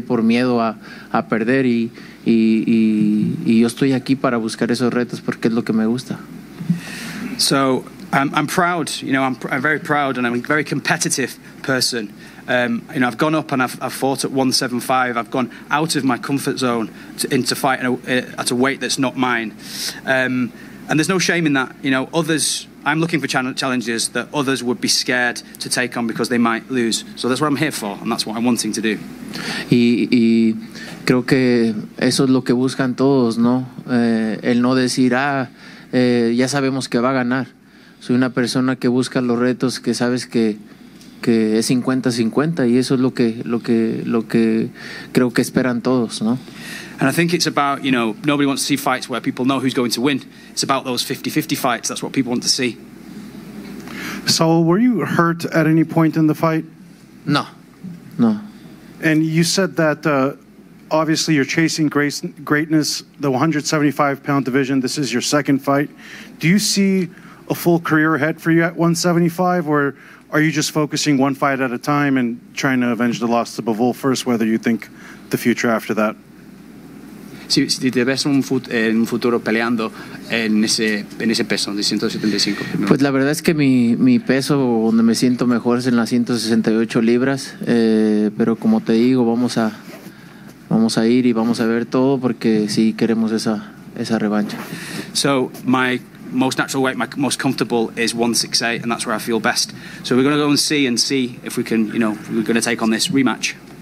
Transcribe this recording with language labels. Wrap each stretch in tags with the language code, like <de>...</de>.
<es>Por miedo a perder y yo estoy aquí para buscar esos retos porque es lo que me gusta.</es> <en>So I'm proud, you know, I'm very proud and I'm a very competitive person. You know, I've gone up and I've fought at 175. I've gone out of my comfort zone to fight at a weight that's not mine. And there's no shame in that. You know, others, I'm looking for challenges that others would be scared to take on because they might lose. So that's what I'm here for and that's what I'm wanting to do.</en> <es>Y creo que eso es lo que buscan todos, ¿no? El no decir, ya sabemos que va a ganar. Soy una persona que busca los retos que sabes que es 50-50 y eso es lo que creo que esperan todos, ¿no?</es> <en>And I think it's about, you know, nobody wants to see fights where people know who's going to win. It's about those 50-50 fights. That's what people want to see. Saul, were you hurt at any point in the fight? No. And you said that obviously you're chasing greatness, the 175-pound division. This is your second fight. Do you see a full career ahead for you at 175, or are you just focusing one fight at a time and trying to avenge the loss to Bivol first, whether you think the future after that?</en> <es>Si te ves en un futuro peleando en ese peso, de 175. Pues la verdad es que mi peso, donde me siento mejor, es en las 168 libras. Pero como te digo, vamos a ir y vamos a ver todo porque sí queremos esa revancha.</es> <en>So my most natural weight, my most comfortable, is 168, and that's where I feel best. So we're going to go and see if we can, you know, we're going to take on this rematch.</en>